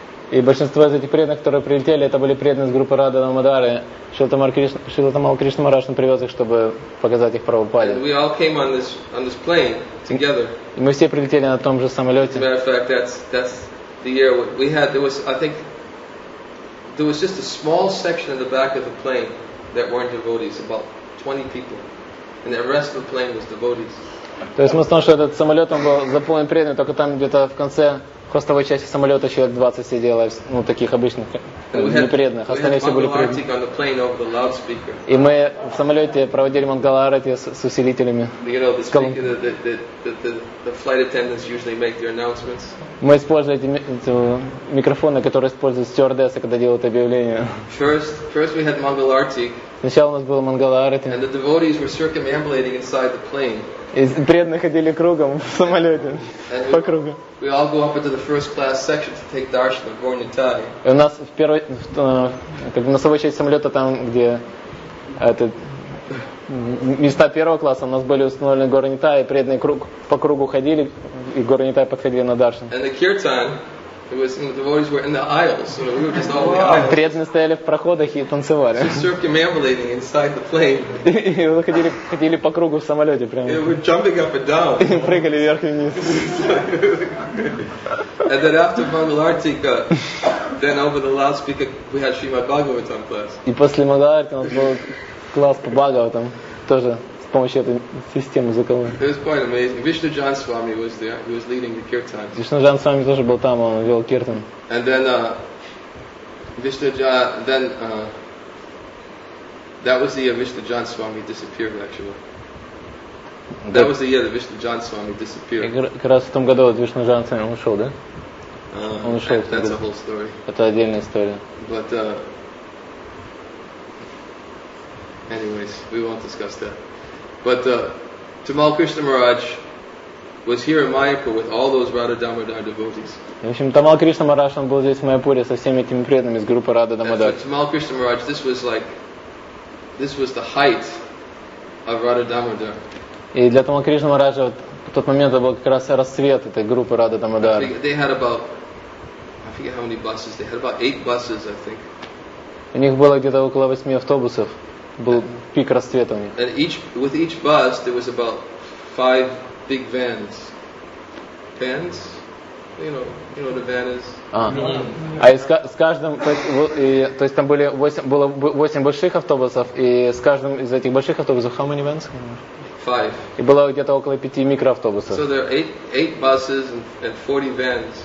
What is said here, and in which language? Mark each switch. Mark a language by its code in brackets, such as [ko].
[ru] И большинство из этих преданных, которые прилетели, это были преданные из группы Радха Дамодары. Шрила Тамал Кришна Махарадж привез их, чтобы показать их Прабхупаде. [en] And we all came on this plane together. [ru] И мы все прилетели на том же самолете. [en] As a matter of fact, that's the year we had. There was just a small section in the back of the plane that weren't devotees, about 20 people. And the rest of the plane was devotees. [ru] То есть мы знаем, что этот самолет он был заполнен преданными, только там где-то в конце хвостовой части самолета человек 20 сидело, ну таких обычных непреданных. Остальные все были преданные. И мы в самолете проводили мангаларати с усилителями. Мы использовали эти микрофоны, которые используют стюардессы, когда делают объявления. [en] First we had мангаларати. [ru] Сначала у нас было мангаларати. [en] And the devotees were circumambulating inside the plane. [ru] И преданные ходили кругом в самолете, по кругу. [en] We all go up into the the first class section to take darshan of Gaur Nitai. [ru] У нас в первой, как бы носовой части самолета там, где этот места первого класса, у нас были установлены Гаур Нитай, и преданный круг по кругу ходили, и Гаур Нитай подходили на даршан. [en] And the kirtan, it was, you know, the devotees were in the aisles, so we were just all in the aisles. [ru] Преданные стояли в проходах и танцевали. [en] Just circumambulating inside the plane. [ru] И выходили, ходили по кругу в самолете прямо. [en] They were jumping up and down. [ru] И прыгали вверх и вниз. [en] And then after Mangalartika, then over the loudspeaker, we had Srimad Bhagavatam class. [ru] И после Мангаларти у нас был класс по Бхагаватам тоже с помощью этой системы звуковой. [en] It was quite amazing. Vishnu Jan Swami was there. He was leading the kirtan. [ru] Vishnu Jan Swami тоже был там, он вел киртан. [en] And then Vishnu Jan, then that was the year Vishnu Jan Swami disappeared actually. That was the year that Vishnu Jan Swami disappeared. [ru] Как раз в том году вот Vishnu Jan Swami ушел, да? Он ушел. [en] That's a whole story. [ru] Это отдельная история. [en] But anyways, we won't discuss that. But Tamal Krishna Maharaj was here in Mayapur with all those Radha Damodar devotees. [ru] В общем, Tamal Krishna Maharaj был здесь в Майяпуре со всеми этими преданными из группы Radha Damodar. [en] And so Tamal Krishna Maharaj, this was like, this was the height of Radha Damodar. [ru] И для Tamal Krishna Maharaj вот в тот момент это был как раз расцвет этой группы Radha Damodar. [en] They had about, I forget how many buses. They had about 8 buses, I think. [ru] У них было где-то около 8 автобусов. Был пик расцвета у них. [en] And each, with each bus, there was about 5 big vans. Vans? You know the van is. [ru] А с каждым, то есть там были 8, было 8 больших автобусов, и с каждым из этих больших автобусов, [en] how many vans? 5. [ru] И было где-то около 5 микроавтобусов. [en] So there are 8 buses and 40 vans.